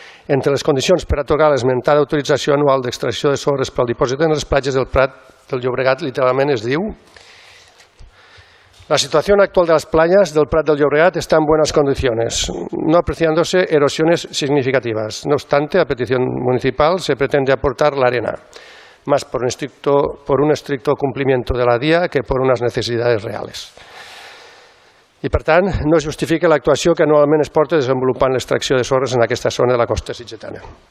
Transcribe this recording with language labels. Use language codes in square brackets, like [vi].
[ca] entre les condicions per atorgar l'esmentada autorització anual d'extracció de sorres pel dipòsit en les platges del Prat del Llobregat, literalment es diu: [es] la situación actual de las playas del Prat del Llobregat está en buenas condiciones, no apreciándose erosiones significativas. No obstante, a petición municipal se pretende aportar la arena, más por un estricto cumplimiento de la DIA que por unas necesidades reales. [ca] I, per tant, no es justifica l'actuació que anualment es porta desenvolupant l'extracció de sorres en aquesta zona de la costa sitgetana.